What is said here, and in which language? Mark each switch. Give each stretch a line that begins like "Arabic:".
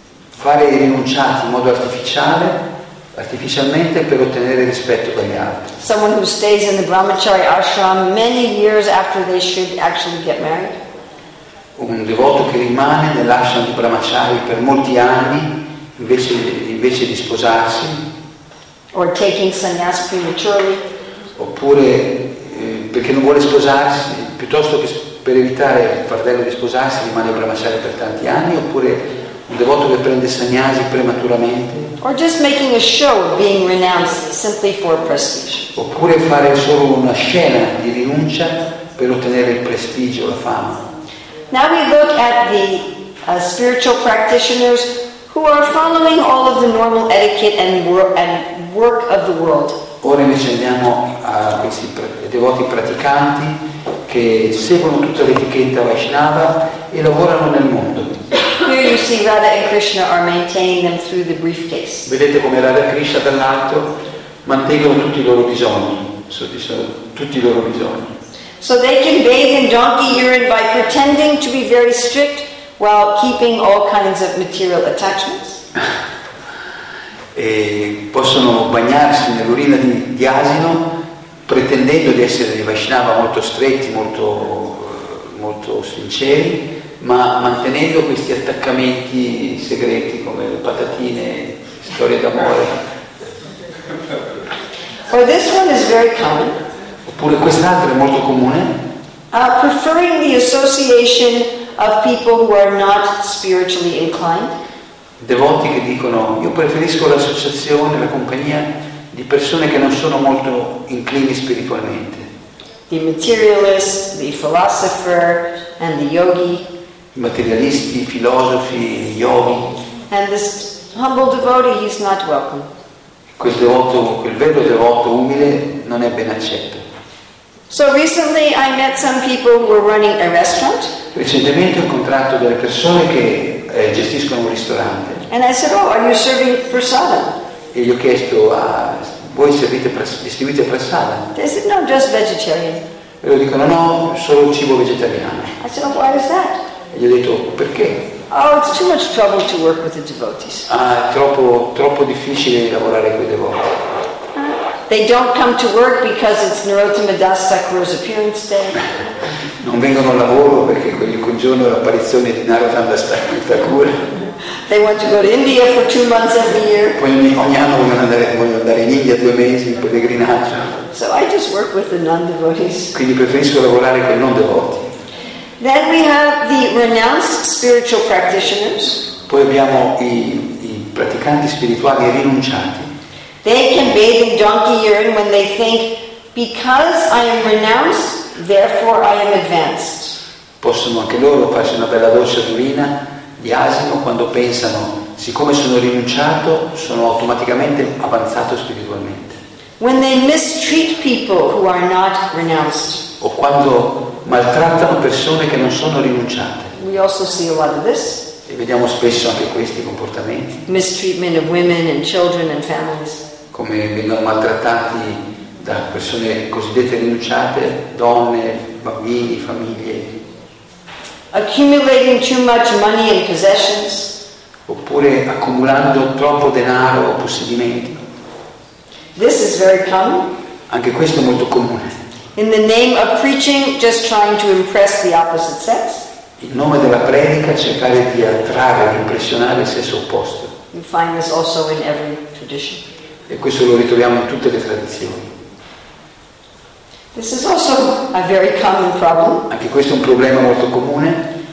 Italian: Fare i rinunciati in modo artificialmente per ottenere rispetto dagli altri.
English: Someone who stays in the Brahmachari ashram many years after they should actually get married.
Italian: Un devoto che rimane nell'ashram di Brahmachari per molti anni invece di sposarsi.
English: Or taking sannyas prematurely.
Italian: Oppure perché non vuole sposarsi, piuttosto che per evitare il fardello di sposarsi rimane a Brahmachari per tanti anni, oppure un devoto che prende sannyasi prematuramente,
English: or just making a show of being renounced simply for prestige,
Italian: oppure fare solo una scena di rinuncia per ottenere il prestigio, la fama.
English: Now we look at the spiritual practitioners who are following all of the normal etiquette and work of the world.
Italian: Ora invece andiamo a questi devoti praticanti che seguono tutta l'etichetta Vaishnava e lavorano nel mondo.
English: Here you see Radha and Krishna are maintaining them through the briefcase.
Italian: Vedete come Radha e Krishna dall'alto mantengono tutti i loro bisogni, soddisfano tutti i loro bisogni.
English: So they can bathe in donkey urine by pretending to be very strict while keeping all kinds of material attachments.
Italian: E possono bagnarsi nell'urina di asino pretendendo di essere dei Vaishnava molto stretti, molto, molto sinceri, ma mantenendo questi attaccamenti segreti come le patatine, storie d'amore.
English: Or this one is very common.
Italian: Oppure quest'altro è molto comune.
English: Preferring the association of people who are not spiritually inclined.
Italian: Devoti che dicono io preferisco l'associazione, la compagnia di persone che non sono molto inclini spiritualmente.
English: The materialist, the philosopher, and the yogi.
Italian: I materialisti, i filosofi, i yogi.
English: And this humble devotee, he's not welcome.
Italian: Quel devoto, quel vero devoto umile, non è ben accetto.
English: So recently I met some people who were running a restaurant.
Italian: Recentemente ho incontrato delle persone che gestiscono un ristorante.
English: And I said, "Oh, are you serving prasada?"
Italian: E gli ho chiesto, "Voi distribuite prasada?"
English: They said, "No, just vegetarian."
Italian: E loro dicono, "No, solo cibo vegetariano."
English: I said, "Oh, why is that?"
Italian: E gli ho detto, "Perché?"
English: "Oh, it's too much trouble to work with the devotees."
Italian: Ah, troppo difficile lavorare con i devoti.
English: They don't come to work because it's Narottama Das Thakur's appearance day.
Italian: Non vengono al lavoro perché quel giorno è l'apparizione di Narottama Das Thakur.
English: They want to go to India for 2 months every year.
Italian: Poi ogni anno vogliono andare in India 2 mesi in pellegrinaggio.
English: So I just work with the non-devotees.
Italian: Quindi preferisco lavorare con i non devoti.
English: Then we have the renounced spiritual practitioners.
Italian: Poi abbiamo i praticanti spirituali rinunciati.
English: They can bathe in donkey urine when they think, because I am renounced, therefore I am advanced.
Italian: Possono anche loro farsi una bella doccia d'urina di asino quando pensano, siccome sono rinunciato, sono automaticamente avanzato spiritualmente.
English: When they mistreat people who are not renounced.
Italian: O quando maltrattano persone che non sono rinunciate.
English: We also see a lot of this.
Italian: E vediamo spesso anche questi comportamenti.
English: Mistreatment of women and children and families.
Italian: Come vengono maltrattati da persone cosiddette rinunciate, donne, bambini, famiglie.
English: Accumulating too much money and possessions.
Italian: Oppure accumulando troppo denaro o possedimenti.
English: This is very common.
Italian: Anche questo è molto comune.
English: In the name of preaching, just trying to impress the opposite sex.
Italian: In nome della predica cercare di attrarre, di impressionare il sesso opposto.
English: You find this also in every tradition.
Italian: E questo lo ritroviamo in tutte le tradizioni.
English: This is also a very common problem.
Italian: Anche questo è un problema molto comune.